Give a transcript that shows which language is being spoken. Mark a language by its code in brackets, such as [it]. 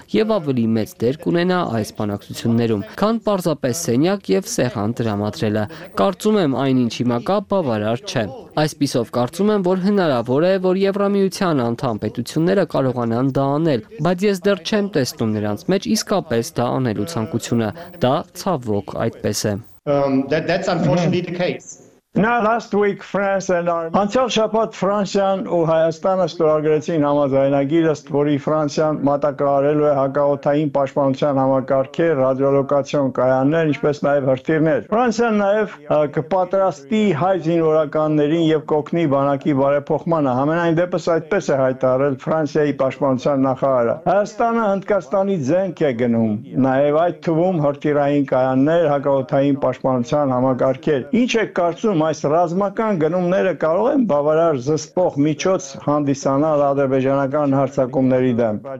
[hy] եւ ավելի մեծ դեր կունենա այս բանակցություններում, քան պարզապես սենյակ եւ սեղան դրամատրելը։ Կարծում եմ, այնինչ հիմա կա, բավարար չէ։ Այսպիսով կարծում եմ, որ հնարավոր է, որ Եվրամիության անդամ պետությունները կարողանան դա անել, բայց ես դեռ չեմ տեսնում նրանց մեջ իսկապես դա անելու ցանկությունը։ Դա ցավոք այդպես է։ [en] That's unfortunately the case. Now last week France and Armenia [hy] Անցյալ շաբաթ Ֆրանսիան ու Հայաստանը ստորագրեցին համաձայնագիրը, որի Ֆրանսիան մատակարարելու է հակաօթային պաշտպանության համակարգի ռադիոլոկացիոն կայաններ, ինչպես նաև հրթիռներ։ Ֆրանսիան նաև կպատրաստի հայ զինվորականներին եւ կօգնի բանակի բարեփոխմանը, համենայն դեպս այդպես է հայտարարել Ֆրանսիայի պաշտպանության նախարարը։ Հայաստանը Հնդկաստանի ձենք է գնում, նաև այդ թվում հրթիռային կայաններ, հակաօթային պաշտպանության համակարգեր։ Ինչ է կարծում այս ռազմական գնումները կարող են բավարար զսպող միջոց հանդիսանալ ադրբեջանական հարձակումների դեմ։